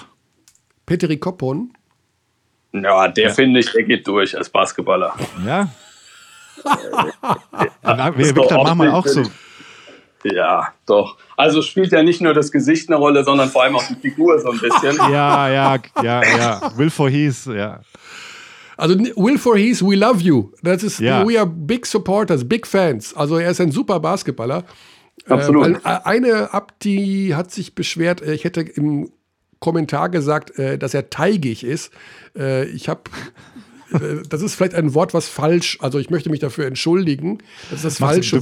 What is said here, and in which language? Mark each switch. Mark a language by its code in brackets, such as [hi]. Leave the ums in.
[de] Sind. Petri Koppon? Ja, der ja. finde ich, der geht durch als Basketballer. Ja. ja, ja. dann ja. Das das Victor, auch, auch so. Ja, doch. Also spielt ja nicht nur das Gesicht eine Rolle, sondern vor allem auch die Figur so ein bisschen. ja, ja, ja, ja. Will for Heath, ja. [en] Also Will for Heath, we love you. That is, ja. We are big supporters, big fans. [de] Also er ist ein super Basketballer. Absolut. Äh, eine Abdi hat sich beschwert, ich hätte im Kommentar gesagt, äh, dass er teigig ist. Äh, ich habe das ist vielleicht ein Wort, was falsch, also ich möchte mich dafür entschuldigen. Das ist das Massen, falsche Wort.